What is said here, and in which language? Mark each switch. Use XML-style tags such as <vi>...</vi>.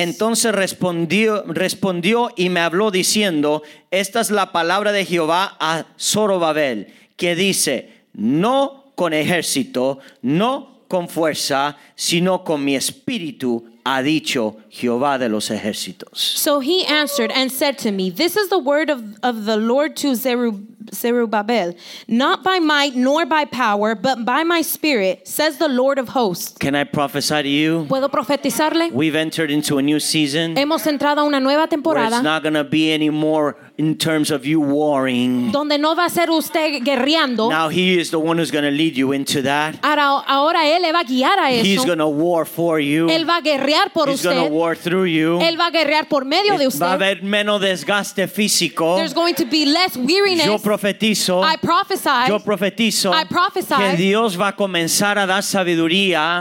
<es>Entonces respondió y me habló diciendo: Esta es la palabra de Jehová a Zorobabel, que dice, no con ejército, no con fuerza, sino con mi espíritu, ha dicho Jehová de los ejércitos.</es> <en>So he answered and said to me, this is the word of the Lord to Zerubbabel, not by might nor by power, but by my spirit, says the Lord of hosts. Can I prophesy to you?</en> <es>¿Puedo profetizarle?</es> <en>We've entered into a new season.</en> <es>Hemos entrado a una nueva temporada.</es> <en>Where it's not going to be any more in terms of you warring.</en> <es>Donde no va a ser usted guerreando.</es> <en>Now he is the one who's going to lead you into that.</en> <es>Ahora él le va a guiar a eso.</es> <en>He's going to war for you.</en> <es>Él va a guerrear por usted.</es> <en>He's going to war through you.</en> <es>Él va a guerrear por medio de usted. Va a haber menos desgaste físico.</es> <en>There's going to be less weariness.</en> <es>Yo profetizo.</es> <en>I prophesy.</en> <es>Yo profetizo.</es> <en>I prophesy.</en> <es>Que Dios va a comenzar a dar sabiduría.</es>